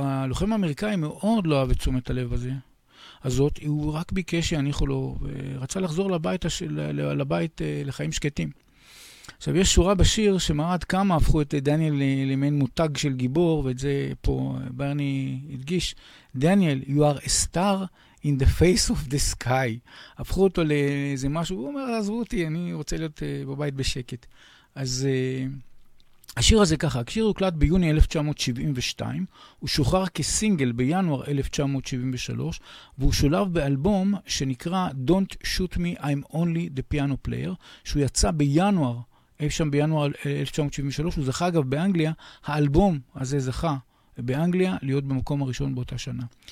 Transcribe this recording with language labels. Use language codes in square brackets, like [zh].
[he] הלוחם האמריקאי מאוד לא אהב את תשומת הלב הזה, הזאת, הוא רק ביקש שיניחו לו, ורצה לחזור לבית, לבית לחיים שקטים. עכשיו, יש שורה בשיר שמעד כמה הפכו את דניאל למעין מותג של גיבור, ואת זה פה ברני הדגיש. [en] דניאל, you are a star in the face of the sky. [he] הפכו אותו לאיזה משהו, הוא אומר, עזבו אותי, אני רוצה להיות בבית בשקט. אז השיר הזה ככה, השיר הוקלט ביוני 1972, הוא שוחרר כסינגל בינואר 1973, והוא שולב באלבום שנקרא Don't Shoot Me, I'm Only the Piano Player, שהוא יצא בינואר, אי שם בינואר 1973, הוא זכה אגב באנגליה, האלבום הזה זכה באנגליה להיות במקום הראשון באותה שנה.